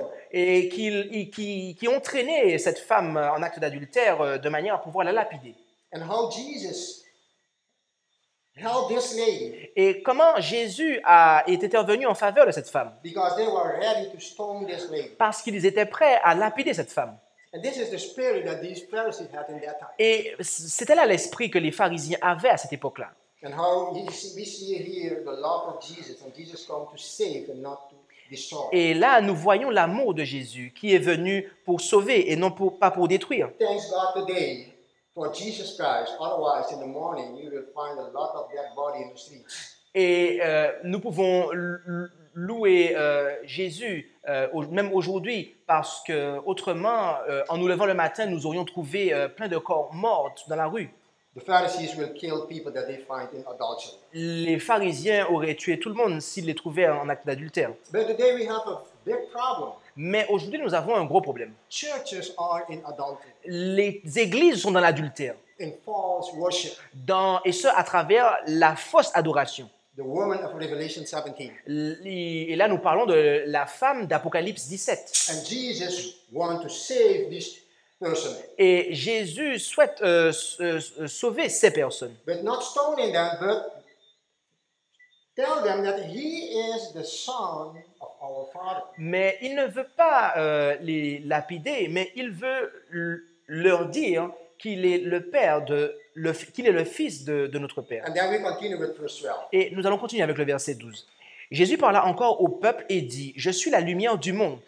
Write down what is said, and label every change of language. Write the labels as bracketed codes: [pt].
[fr] Et qui ont traîné cette femme en acte d'adultère de manière à pouvoir la lapider. [en] And how Jesus helped this lady. [fr] Et comment Jésus est intervenu en faveur de cette femme. [en] Because they were ready to stone this lady. [fr] Parce qu'ils étaient prêts à lapider cette femme. [en] And this is the spirit that these Pharisees had in that time. [fr] Et c'était là l'esprit que les pharisiens avaient à cette époque-là. [en] And how we see here the love of Jesus, and Jesus came to save and not to destroy. [fr] Et là, nous voyons l'amour de Jésus qui est venu pour sauver et non pas pour détruire. [en] Thanks God today for Jesus Christ. Otherwise, in the morning, you will find a lot of dead body in the streets. [fr] Et nous pouvons louer Jésus même aujourd'hui, parce que autrement, en nous levant le matin, nous aurions trouvé plein de corps morts dans la rue. [en] The Pharisees will kill people that they find in adultery. [fr] Les pharisiens auraient tué tout le monde s'ils les trouvaient en acte d'adultère. [en] But today we have a big problem. [fr] Mais aujourd'hui, nous avons un gros problème. [en] Churches are in adultery. [fr] Les églises sont dans l'adultère. [en] In false worship. [fr] Et ce, à travers la fausse adoration. [en] The woman of Revelation 17. [fr] Et là, nous parlons de la femme d'Apocalypse 17. [en] And Jesus wants to save this person. [fr] Et Jésus souhaite sauver ces personnes. [en] But not stoning them, but tell them that he is the son of our father. [fr] Mais il ne veut pas les lapider, mais il veut leur dire qu'il est le fils de notre Père. [en] And then we continue with verse 12. [fr] Et nous allons continuer avec le verset 12. Jésus parla encore au peuple et dit, « Je suis la lumière du monde.